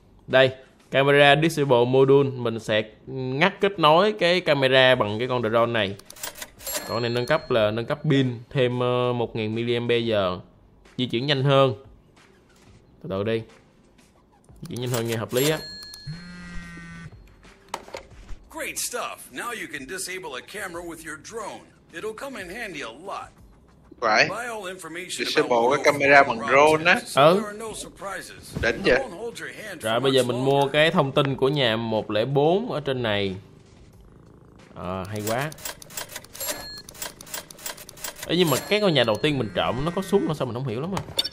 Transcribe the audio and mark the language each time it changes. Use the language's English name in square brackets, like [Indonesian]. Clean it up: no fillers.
[Vietnamese] Đây, camera disable module. Mình sẽ ngắt kết nối cái camera bằng cái con drone này. Con này nâng cấp là nâng cấp pin. Thêm 1000mAh. Di chuyển nhanh hơn. Từ từ đi. Di chuyển nhanh hơn nghe hợp lý á. [English] Great stuff. Now you can disable a camera with your drone. It'll come in handy a lot. [Vietnamese] Phải. Thì sơ bộ cái camera bằng drone á. Ừ. Đỉnh vậy. Rồi bây giờ mình mua cái thông tin của nhà 104 ở trên này. Ờ, à, hay quá. Ê, nhưng mà cái ngôi nhà đầu tiên mình trộm nó có súng sao mình không hiểu lắm à.